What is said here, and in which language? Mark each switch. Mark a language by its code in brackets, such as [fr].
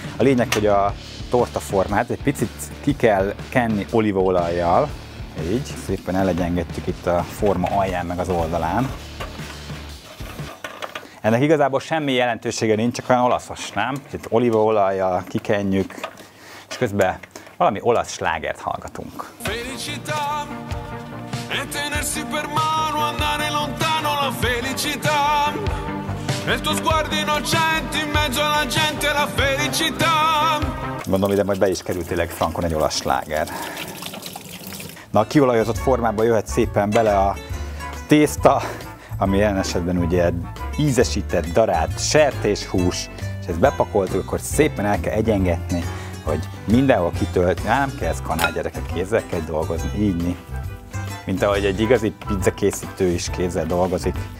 [hu] A lényeg, hogy a torta formát egy picit ki kell kenni olívaolajjal, így, szépen elegyengedjük itt a forma alján meg az oldalán. Ennek igazából semmi jelentősége nincs, csak olyan olaszos, nem? Itt olívaolajjal kikenjük, és közben valami olasz slágert hallgatunk. [it] Felicità, e tenersi per mano, andare lontano la felicità, e il tuo sguardo innocente in mezzo alla gente la felicità. [hu] Gondolom ide majd be is került tényleg frankon egy olasz sláger. Na, a kiolajozott formában jöhet szépen bele a tészta, ami ilyen esetben ugye ízesített, darált sertéshús, és ezt bepakoltuk, akkor szépen el kell egyengetni, hogy mindenhol kitölt, nem kell ez kanál gyerekek, kézzel kell dolgozni, ígyni, mint ahogy egy igazi pizzakészítő is kézzel dolgozik.